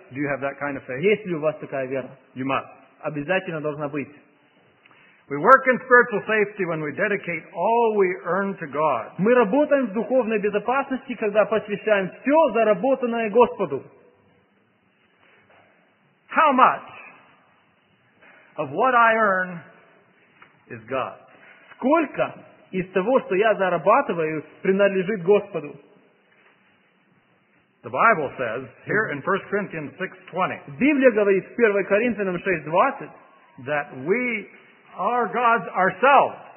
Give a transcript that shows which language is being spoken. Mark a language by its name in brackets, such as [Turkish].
[English] Do you have that kind of faith? [Russian] Есть ли у вас такая вера? [English] You must. [Russian] Обязательно должна быть. [English] We work in spiritual safety when we dedicate all we earn to God. [Russian] Мы работаем в духовной безопасности, когда посвящаем все заработанное Господу. [English] How much of what I earn is God? [Russian] Сколько из того, что я зарабатываю, принадлежит Господу? [English] The Bible says here in 1 Corinthians 6:20. [Russian] Библия говорит в 1 Коринфянам 6:20, [English] that we are gods ourselves.